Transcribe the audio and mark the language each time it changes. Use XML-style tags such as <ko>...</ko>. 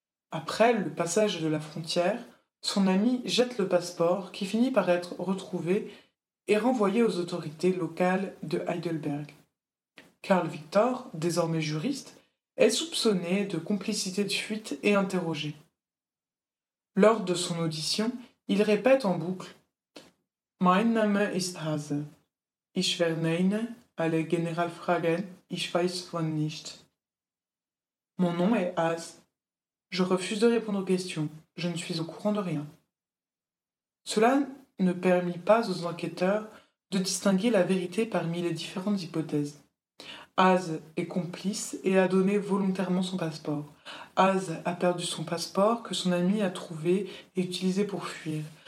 <fr>Après le passage de la frontière, son ami jette le passeport qui finit par être retrouvé et renvoyé aux autorités locales de Heidelberg. Carl Victor, désormais juriste, est soupçonné de complicité de fuite et interrogé. Lors de son audition, il répète en boucle «</fr> <de>Mein Name ist Haase. Ich verneine alle Generalfragen, ich weiß von nicht. »</de> <fr>Mon nom est Haas. Je refuse de répondre aux questions. Je ne suis au courant de rien. » Cela ne permit pas aux enquêteurs de distinguer la vérité parmi les différentes hypothèses. Haas est complice et a donné volontairement son passeport. Haas a perdu son passeport que son ami a trouvé et utilisé pour fuir.</fr>